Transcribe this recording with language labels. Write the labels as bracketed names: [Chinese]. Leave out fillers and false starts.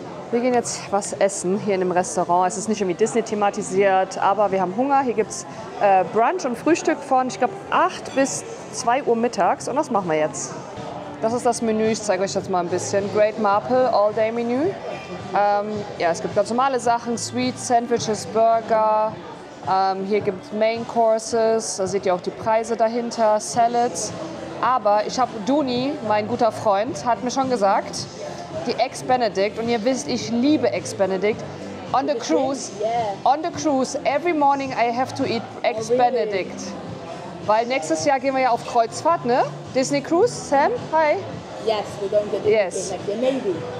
[German] Wir gehen jetzt was essen hier in dem Restaurant. Es ist nicht irgendwie Disney thematisiert, aber wir haben Hunger. Hier gibt es Brunch und Frühstück von, ich glaube, 8 bis 2 Uhr mittags. Und das machen wir jetzt. Das ist das Menü. Ich zeige euch jetzt mal ein bisschen. Great Marple All Day Menü. Ja, es gibt ganz normale Sachen. [English] Sweets, Sandwiches, Burger. [German] Hier gibt es Main Courses. Da seht ihr auch die Preise dahinter. Salads. Aber ich habe Duni, mein guter Freund, hat mir schon gesagt, die Ex-Benedict, und ihr wisst, ich liebe Ex-Benedict, [English] on the cruise, every morning I have to eat Ex-Benedict. [German] Weil nächstes Jahr gehen wir ja auf Kreuzfahrt, ne? [English] Disney Cruise, Sam, hi. Yes, we're going to Disney Cruise next year, maybe.